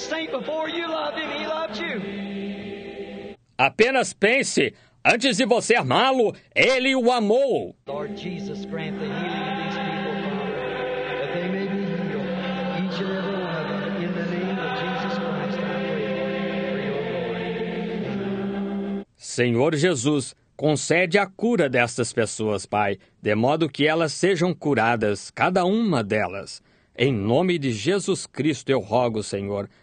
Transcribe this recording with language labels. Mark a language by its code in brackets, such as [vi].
[en] Before you loved him, he loved you. [pt] Apenas pense, antes de você amá-lo, ele o amou. [en] Lord Jesus, grant the healing of these people, Father, that they may be healed, each and every one of them, in the name of Jesus Christ, I pray for you, Lord. [pt] Senhor Jesus, concede a cura destas pessoas, Pai, de modo que elas sejam curadas, cada uma delas. Em nome de Jesus Cristo eu rogo, Senhor.